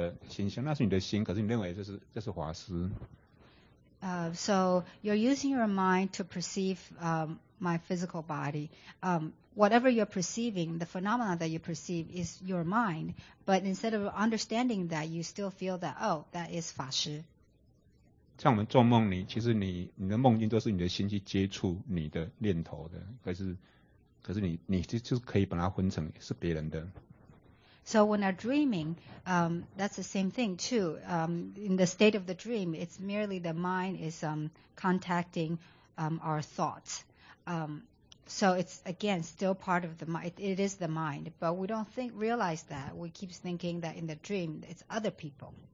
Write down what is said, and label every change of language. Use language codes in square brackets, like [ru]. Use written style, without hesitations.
[zh] 譬如说你们用你的心接触到我的心象，那是你的心，可是你认为这是华师。 [en] So you're using your mind to perceive my physical body. Whatever you're perceiving, the phenomena that you perceive is your mind. But instead of understanding that, you still feel that, oh, that is 法师. [zh] 像我们做梦，其实你的梦境都是你的心去接触你的念头的，可是你就是可以把它分成是别人的。So [en] when I'm dreaming, that's the same thing too. In the state of the dream, it's merely the mind is contacting our thoughts. So it's again still part of the mind. It is the mind, but we don't realize that. We keep thinking that in the dream it's other people.